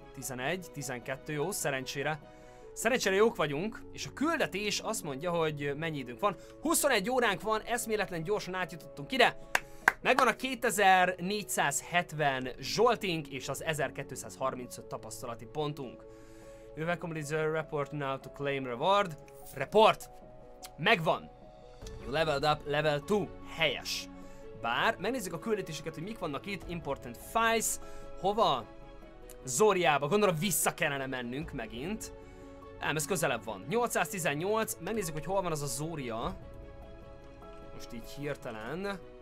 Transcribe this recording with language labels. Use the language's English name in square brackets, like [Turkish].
[Hungarian] 11, 12, jó, szerencsére. Szerencsére jók vagyunk, és a küldetés azt mondja, hogy mennyi időnk van. 21 óránk van, eszméletlen gyorsan átjutottunk ide. Megvan a 2470 zsoltink és az 1235 tapasztalati pontunk. [English] You have completed the report now to claim reward. Report! [Hungarian] Megvan! [English] You leveled up level 2. [Hungarian] Helyes. Bár, megnézzük a küldetéseket, hogy mik vannak itt. [English] Important files. [Hungarian] Hova? Zóriába. Gondolom vissza kellene mennünk megint. Nem, ez közelebb van. 818. Megnézzük, hogy hol van az a Zória. Most így hirtelen...